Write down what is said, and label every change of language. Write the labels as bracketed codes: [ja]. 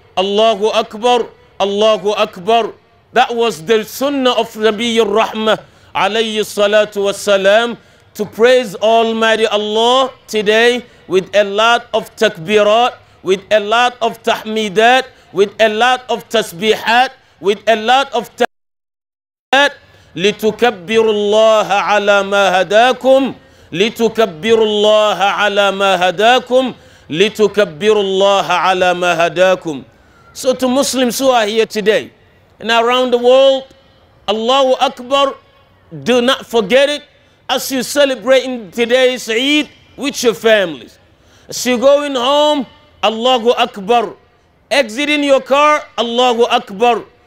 [en] Allahu Akbar, Allahu Akbar. That was the sunnah of Nabi Rahmah, alayhi salatu wassalam, to praise Almighty Allah today with a lot of takbirat, with a lot of tahmidat, with a lot of tasbihat, with a lot of tahmidat. [ar] لتكبروا الله على ما هداكم لتكبروا الله على ما هداكم لتكبروا الله على ما هداكم. [en] So to Muslims who are here today and around the world, Allahu Akbar, do not forget it as you celebrate in today's Eid with your families. As you going home, Allahu Akbar. Exiting your car, Allahu Akbar.